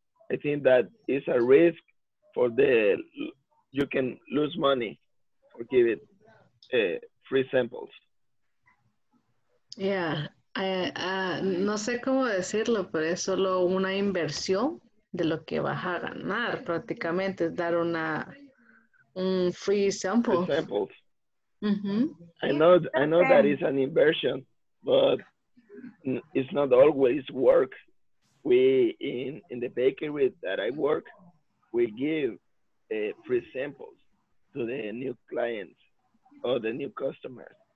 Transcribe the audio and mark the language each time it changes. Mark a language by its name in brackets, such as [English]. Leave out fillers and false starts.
[English] I think that it's a risk for the, you can lose money or give it free samples. [Spanish] Yeah, no sé cómo decirlo, pero es solo una inversión de lo que vas a ganar, prácticamente es dar una [English] free samples. Samples. Mm-hmm. I know that is an inversion, but it's not always work. We in the bakery that I work, we give free samples to the new clients or the new customers.